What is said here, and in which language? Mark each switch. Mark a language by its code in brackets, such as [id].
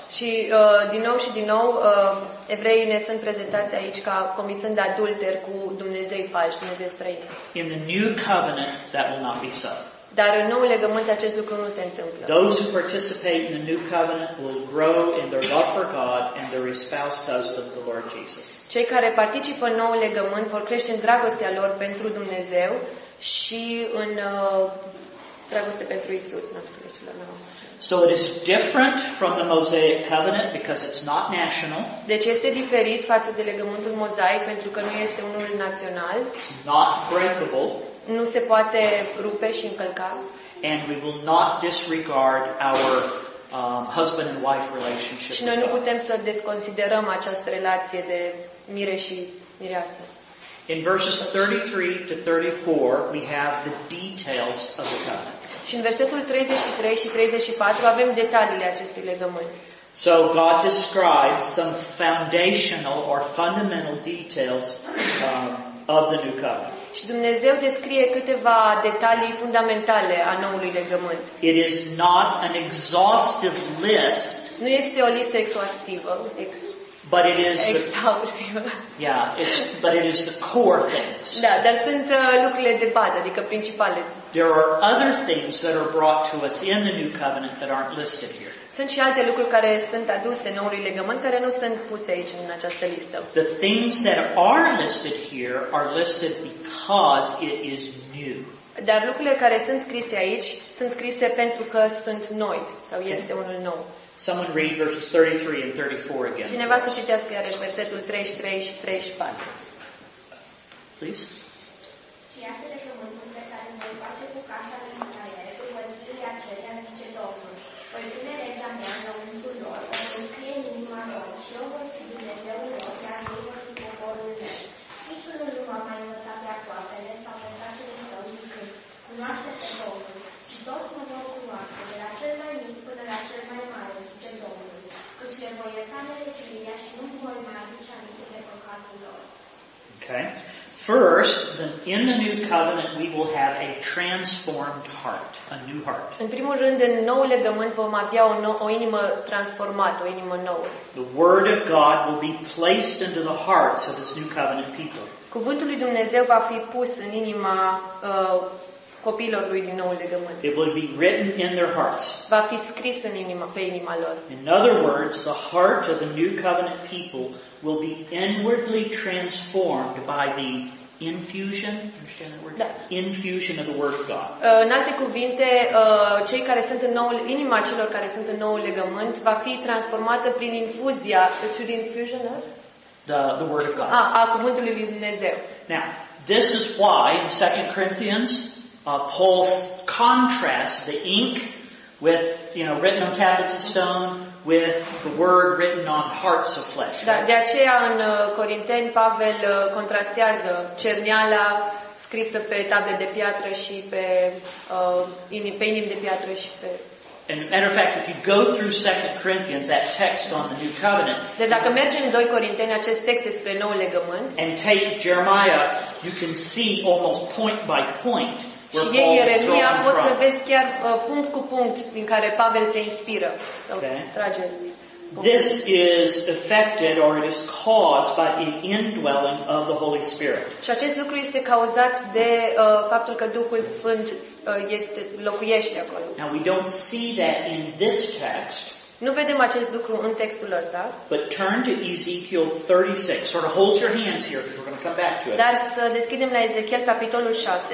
[ro] Și din nou și din nou evreii ne sunt prezentați aici ca comițând adulter cu Dumnezei falși, Dumnezeu străin. [en] In the new covenant, that will not be so. [ro] Dar în noul legământ acest lucru nu se întâmplă. [en] Those who participate in the new covenant will grow in their love for God and their espoused husband, the Lord Jesus. [ro] Cei care participă în noul legământ vor crește în dragostea lor pentru Dumnezeu și în dragoste pentru Isus, [en] So it is different from the Mosaic covenant because it's not national. [ro] Deci este diferit față de legământul mozaic pentru că nu este unul național. [en] Not breakable. [ro] Nu se poate rupe și încălca. [en] And we will not disregard our husband and wife relationship. [ro] Și noi nu putem să desconsiderăm această relație de mire și mireasă. [en] In verses 33 to 34, we have the details of the covenant. [ro] Și în versetul 33 și 34 avem detaliile acestui legământ. [en] So God describes some foundational or fundamental details of the new covenant. [ro] Și Dumnezeu descrie câteva detalii fundamentale a noului legământ. [en] It is not an exhaustive list. [ro] Nu este o listă exhaustivă. [en] But it is exhaustive. Yeah, it's but it is the core things. [ro] Da, dar sunt lucrurile de bază, adică principale. [en] There are other things that are brought to us in the new covenant that aren't listed here. [ro] Sunt și alte lucruri care sunt aduse în noul legământ care nu sunt puse aici în această listă. [en] The things that are listed here are listed because it is new. [ro] Dar lucrurile care sunt scrise aici sunt scrise pentru că sunt noi sau este unul nou. [en] Someone read verses 33 and 34 again. [ro] Cineva să citească iarăși versetul 33 și 34. [en] Please. [ro] Și iată legământul pe care îl voi face cu casa lui Israel după zilele acelea, zice Domnul. Voi pune legea mea la unul lor, o voi scrie în inima lor și eu voi fi Dumnezeul lor, iar ei vor fi poporul meu. Niciunul nu m-a mai învățat pe aproapele sau pe fratele său zicând, cunoaște pe Domnul și toți mă vor cunoaște, de la cel mai mic până la cel mai mare, zice Domnul, căci le voi ierta nelegiuirea și nu voi mai aduce aminte de păcatul lor. [en] Okay. First, in the new covenant, we will have a transformed heart, a new heart. [ro] În primul rând, în noul legământ vom avea o inimă transformată, o inimă nouă. [en] The word of God will be placed into the hearts of His new covenant people. [ro] Cuvântul lui Dumnezeu va fi pus în inima copiilor lui din noul legământ. [en] It will be written in their hearts. [ro] Va fi scris în inimă, pe inima lor. [en] In other words, the heart of the new covenant people will be inwardly transformed by the infusion, understand that word? [ro] Da. [en] Infusion of the word of God. [ro] În alte cuvinte, cei care sunt în noul inima celor care sunt în noul legământ va fi transformată prin infuzia, [en] through the infusion of the word of God. [ro] A cuvântului lui Dumnezeu. [en] Now, this is why in 2 Corinthians Paul contrasts the ink with, you know, written on tablets of stone with the word written on hearts of flesh. [ro] Da, de aceea în Corinteni Pavel contrastează cerneala scrisă pe table de piatră și pe inimi de piatră și pe. [en] And matter of fact, if you go through 2 Corinthians, that text on the new covenant, [ro] dacă mergi în 2 Corinteni, acest text despre noul legământ, [en] and take Jeremiah, you can see almost point by point. [ro] Și e Ieremia, poți să vezi chiar punct cu punct din care Pavel se inspiră sau trage. [en] This is affected or it is caused by the indwelling of the Holy Spirit. [ro] Și acest lucru este cauzat de faptul că Duhul Sfânt este locuiește acolo. [en] Now we don't see that in this text. [ro] Nu vedem acest lucru în textul ăsta. [en] But turn to Ezekiel 36. Sort of hold your hands here because we're going to come back to it. [ro] Dar să deschidem la Ezechiel capitolul 6.